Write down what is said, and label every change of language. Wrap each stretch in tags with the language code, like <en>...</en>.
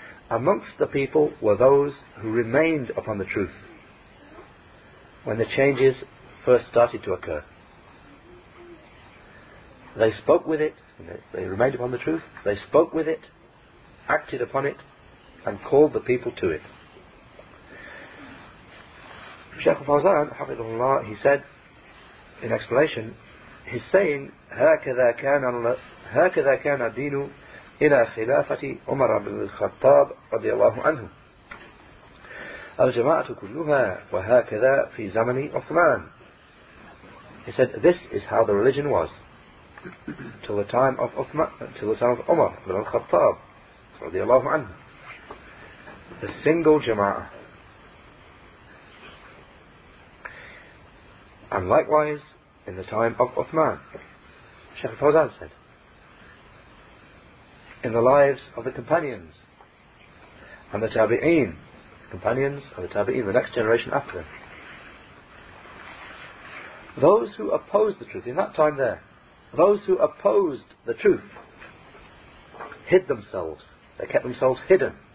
<en>Amongst the people were those who remained upon the truth when the changes first started to occur. They spoke with it, they remained upon the truth, they spoke with it, acted upon it, and called the people to it. Shaykh al-Fawzan, hafidhahullah, he said in explanation, he's saying,</en> <ar>هكذا كان الدين إلى خلافة عمر بن الخطاب رضي الله عنه الجماعة كلها وهكذا في زمن عثمان.</ar> <en>He said, this is how the religion was till the time of Uthman, till the time of Umar ibn al-Khattab radiallahu anhu, the single Jama'ah. And likewise in the time of Uthman, Shaykh al-Fawzan said, in the lives of the companions and the Tabi'een, companions of the Tabi'een, the next generation after them, those who opposed the truth in that time there, those who opposed the truth hid themselves. They kept themselves hidden.</en>